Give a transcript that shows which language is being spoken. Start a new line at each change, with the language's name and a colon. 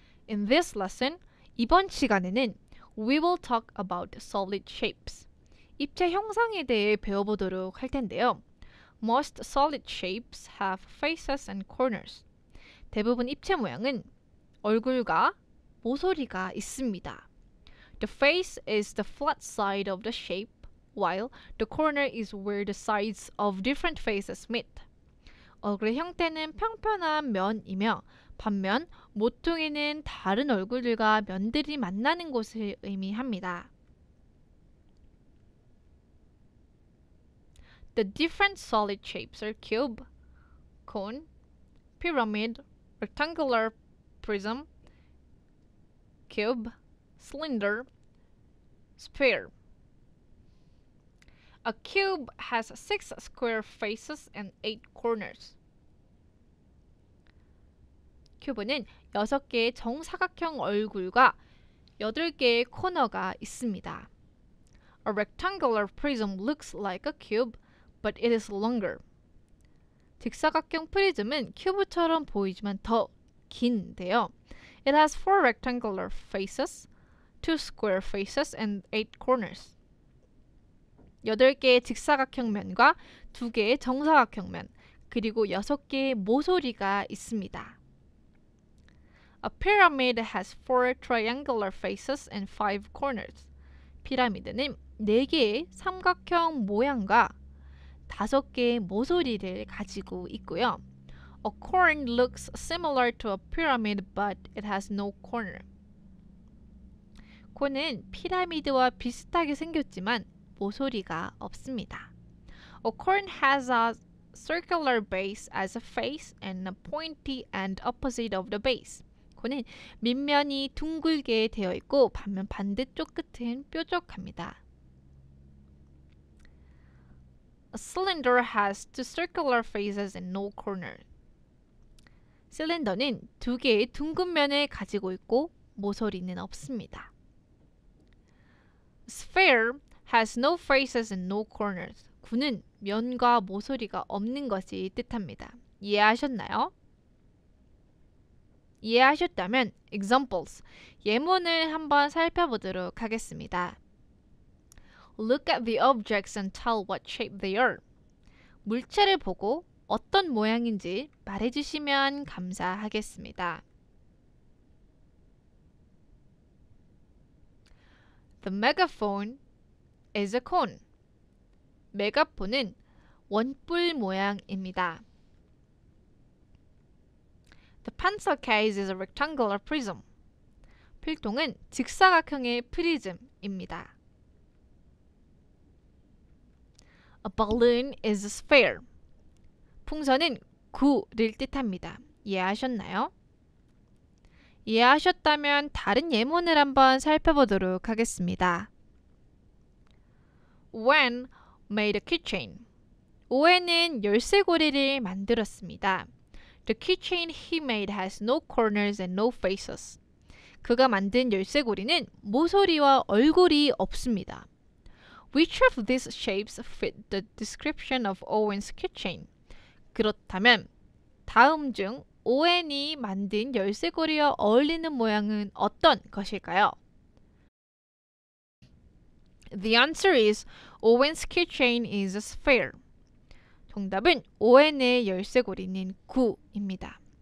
English: In this lesson,
Korean: 이번 시간에는
English: We will talk about solid shapes.
Korean: 입체 형상에 대해 배워보도록 할 텐데요.
English: Most solid shapes have faces and corners.
Korean: 대부분 입체 모양은 얼굴과 모서리가 있습니다.
English: The face is the flat side of the shape, while the corner is where the sides of different faces meet.
Korean: 얼굴의 형태는 평평한 면이며, 반면 모퉁이는 다른 얼굴들과 면들이 만나는 곳을 의미합니다.
English: The different solid shapes are cube, cone, pyramid, rectangular prism, cube, cylinder, sphere. A cube has six square faces and eight corners.
Korean: 큐브는 6개의 정사각형 얼굴과 8개의 코너가 있습니다.
English: A rectangular prism looks like a cube. But it is longer.
Korean: 직사각형 프리즘은 큐브처럼 보이지만 더 긴데요.
English: It has four rectangular faces, two square faces, and eight corners.
Korean: 8개의 직사각형 면과 2개의 정사각형 면, 그리고 6개의 모서리가 있습니다.
English: A pyramid has four triangular faces and five corners.
Korean: 피라미드는 4개의 삼각형 모양과 5개의 모서리를 가지고 있고요.
English: A cone looks similar to a pyramid, but it has no corner.
Korean: 코는 피라미드와 비슷하게 생겼지만 모서리가 없습니다.
English: A cone has a circular base as a face and a pointy end opposite of the base.
Korean: 코는 밑면이 둥글게 되어 있고 반면 반대쪽 끝은 뾰족합니다.
English: A cylinder has two circular faces and no corner.
Korean: 실린더는 두 개의 둥근 면을 가지고 있고 모서리는 없습니다.
English: Sphere has no faces and no corners.
Korean: 구는 면과 모서리가 없는 것이 뜻합니다. 이해하셨나요? 이해하셨다면 examples, 예문을 한번 살펴보도록 하겠습니다.
English: Look at the objects and tell what shape they are.
Korean: 물체를 보고 어떤 모양인지 말해주시면 감사하겠습니다.
English: The megaphone is a cone.
Korean: 메가폰은 원뿔 모양입니다.
English: The pencil case is a rectangular prism.
Korean: 필통은 직사각형의 프리즘입니다.
English: A balloon is a sphere.
Korean: 풍선은 구를 뜻합니다. 이해하셨나요? 이해하셨다면 다른 예문을 한번 살펴보도록 하겠습니다.
English: When made a keychain.
Korean: 오웬은 열쇠고리를 만들었습니다.
English: The keychain he made has no corners and no faces.
Korean: 그가 만든 열쇠고리는 모서리와 얼굴이 없습니다.
English: Which of these shapes fit the description of Owen's keychain?
Korean: 그렇다면 다음 중 오웬이 만든 열쇠고리와 어울리는 모양은 어떤 것일까요?
English: The answer is Owen's keychain is a sphere.
Korean: 정답은 오웬의 열쇠고리는 구입니다.